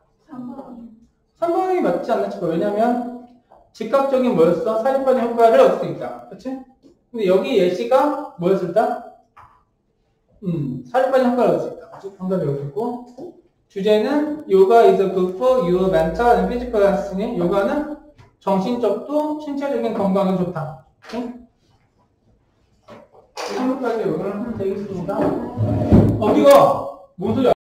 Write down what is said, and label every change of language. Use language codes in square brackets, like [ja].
[ko] 3번. 3번이 맞지 않나 싶어. 왜냐면 즉각적인 뭐였어? 사립반의 효과를 얻을 수 있다. 그치? 근데 여기 예시가 뭐였을까? 사진까지 한글로 할 수 있다. 아주 정답이 없었고. 주제는 요가 [en] is good for your mental and physical health. [ko] 요가는 정신적도 신체적인 건강에 좋다. 이 정도까지 요가를 하면 되겠습니다. 이거 뭔 소리야?